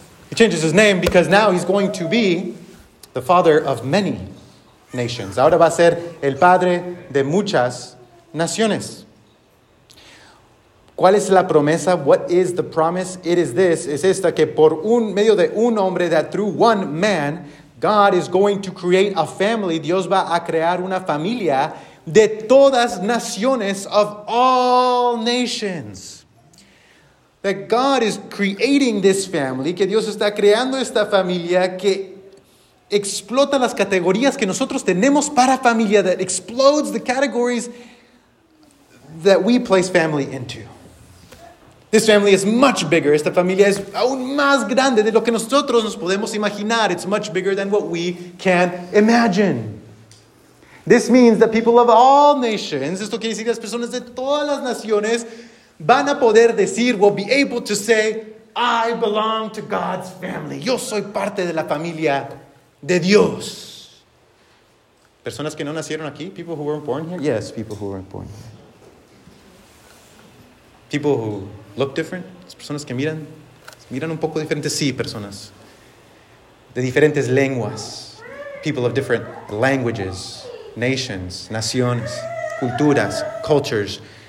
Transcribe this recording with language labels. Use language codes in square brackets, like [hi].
[en] He changes his name because now he's going to be the father of many nations. [es] Ahora va a ser el padre de muchas naciones. ¿Cuál es la promesa? [en] What is the promise? It is this, [es] es esta, que por un medio de un hombre, [en] that through one man, God is going to create a family. [es] Dios va a crear una familia de todas naciones, [en] of all nations. That God is creating this family, [es] que Dios está creando esta familia que explota las categorías que nosotros tenemos para familia, [en] that explodes the categories that we place family into. This family is much bigger. [es] Esta familia es aún más grande de lo que nosotros nos podemos imaginar. [en] It's much bigger than what we can imagine. This means that people of all nations, [es] esto quiere decir las personas de todas las naciones, van a poder decir, [en] will be able to say, I belong to God's family. [es] Yo soy parte de la familia de Dios. Personas que no nacieron aquí, [en] people who weren't born here? Yes, people who weren't born here. People who look different, [es] las personas que miran un poco diferente, sí, personas de diferentes lenguas, [en] people of different languages, nations, [es] naciones, culturas, cultures,